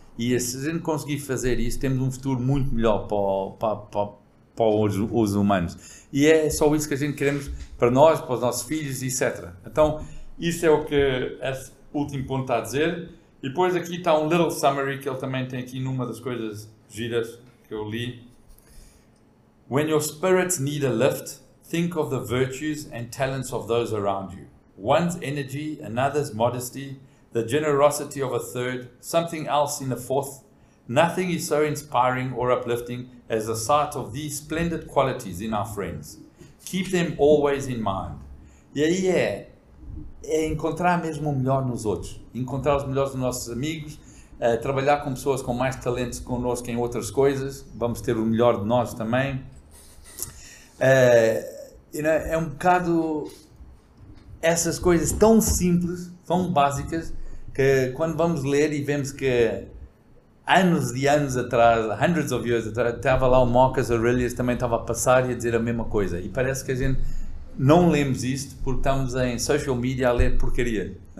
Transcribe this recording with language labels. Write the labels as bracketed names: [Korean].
[Portuguese] E se a gente conseguir fazer isso, temos um futuro muito melhor para os humanos. E é só isso que a gente queremos para nós, para os nossos filhos, etc. Então, isso é o que esse último ponto está a dizer. E depois aqui está um [English] little summary [Portuguese] que ele também tem aqui numa das coisas giras que eu li. [English] When your spirits need a lift, think of the virtues and talents of those around you. One's energy, another's modesty, the generosity of a third, something else in a fourth. Nothing is so inspiring or uplifting as the sight of these splendid qualities in our friends. Keep them always in mind. [Portuguese] E aí é encontrar mesmo o melhor nos outros, encontrar os melhores nos nossos amigos, trabalhar com pessoas com mais talentos connosco em outras coisas, vamos ter o melhor de nós também. É um bocado essas coisas tão simples, tão básicas, que quando vamos ler e vemos que anos e anos atrás, [English] hundreds of years [Portuguese] atrás, estava lá o Marcus Aurelius também estava a passar e a dizer a mesma coisa. E parece que a gente não lemos isto porque estamos em social media a ler porcaria.